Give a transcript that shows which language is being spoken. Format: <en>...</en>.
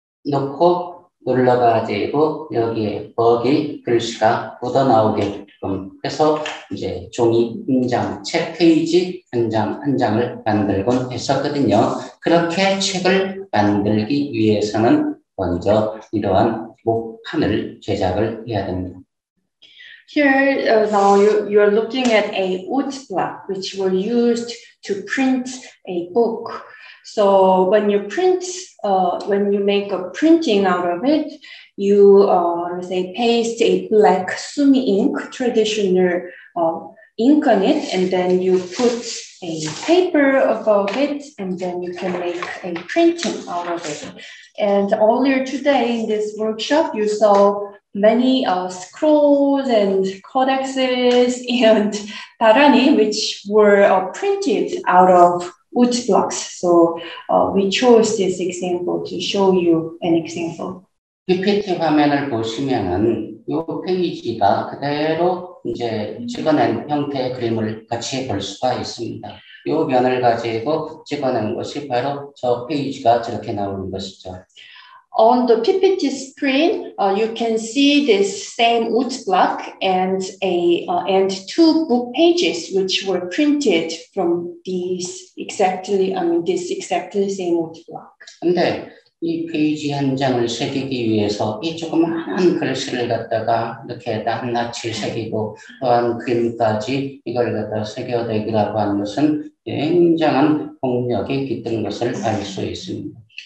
<ko>놓고 눌러가지고 여기에 버기 글씨가 묻어나오게끔 해서 이제 종이 한 장, 책 페이지 한 장, 한 장을 만들곤 했었거든요. 그렇게 책을 만들기 위해서는 먼저 이러한 목판을 제작을 해야 됩니다.</ko> <en>Here, now you are looking at a wood block, which were used to print a book. So when you print, when you make a printing out of it, you, say, paste a black sumi ink, traditional ink on it, and then you put a paper above it, and then you can make a printing out of it. And earlier today in this workshop, you saw many scrolls and codexes and dhāraṇī, which were printed out of wood blocks. So we chose this example to show you an example.</en> <ko>PPT 화면을 보시면은 요 페이지가 그대로 이제 찍어낸 형태의 그림을 같이 볼 수가 있습니다. 요 면을 가지고 찍어낸 것이 바로 저 페이지가 저렇게 나오는 것이죠.</ko> <en>On the PPT screen, you can see this same wood block and two book pages which were printed from this exactly same wood block.</en> <ko>근데 이 페이지 한 장을 새기기 위해서 이 조그마한 글씨를 갖다가 이렇게 낱낱이 새기고 또한 그림까지 이걸 갖다 새겨내기라고 하는 것은 굉장한 공력이 깃든 것을 알 수 있습니다.</ko>